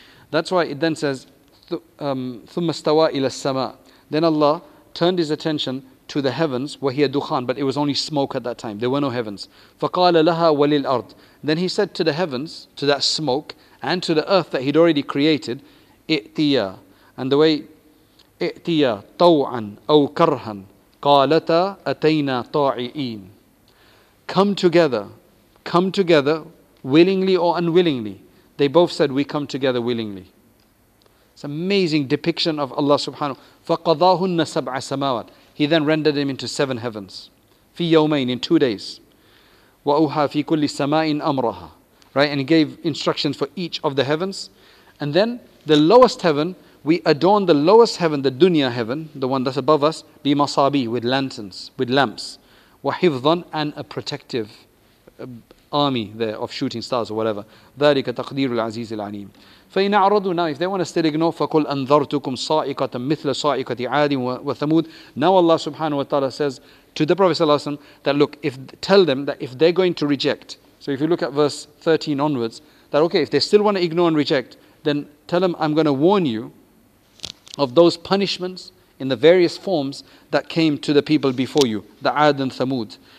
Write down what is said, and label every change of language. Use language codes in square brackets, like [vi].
[en] That's why it then says, [ar] ثُمَّ اسْتَوَى إِلَى السَّمَاءِ. [en] Then Allah turned his attention to the heavens, where he had Dukhan, but it was only smoke at that time. There were no heavens. [ar] فَقَالَ لَهَا وَلِلْأَرْضِ. [en] Then he said to the heavens, to that smoke, and to the earth that he'd already created, [ar] اِئْتِيَا. [en] And the way, [ar] اِئْتِيَا طَوْعًا أَوْ كَرْهًا قَالَتَا أَتَيْنَا طَاعِئِينَ. [en] Come together, willingly or unwillingly. They both said, we come together willingly. It's an amazing depiction of Allah subhanahu. [ar] فَقَضَاهُنَّ سَبْعَ سَمَاوَاتٍ. [en] He then rendered him into seven heavens. [ar] فِي يَوْمَيْنِ, [en] in 2 days. [ar] وَأُوحَى فِي كُلِّ سَمَاءٍ أَمْرَهَا. [en] Right, and he gave instructions for each of the heavens. And then the lowest heaven, we adorn the lowest heaven, the dunya heaven, the one that's above us, [ar] بِمَصَابِي, [en] with lanterns, with lamps. [ar] وَحِفْظًا, [en] and a protective army there of shooting stars or whatever. [ar] ذَلِكَ تَقْدِيرُ الْعَزِيزِ الْعَلِيمِ. فَإِنَعْرَضُوا, [en] now if they want to still ignore, [ar] فَقُلْ أَنْذَرْتُكُمْ صَائِقَةً مِثْلَ صَائِقَةِ عَادٍ وَثَمُودٍ. [en] Now Allah subhanahu wa ta'ala says to the Prophet sallallahu alayhi wa sallam that look, if tell them that if they're going to reject, so if you look at verse 13 onwards, that okay, if they still want to ignore and reject, then tell them I'm going to warn you of those punishments in the various forms that came to the people before you, the Ad and Thamud.